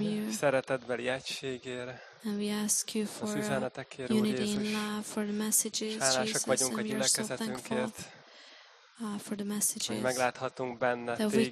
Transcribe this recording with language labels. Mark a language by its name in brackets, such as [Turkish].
[Hungarian] Szeretetbeli egységért. [English] And we ask you for unity in love, for the messages, Jesus. [Hungarian] Hálásak vagyunk a gyülekezetünkért. [English] For the messages. [Hungarian] Hogy megláthatunk benne téged.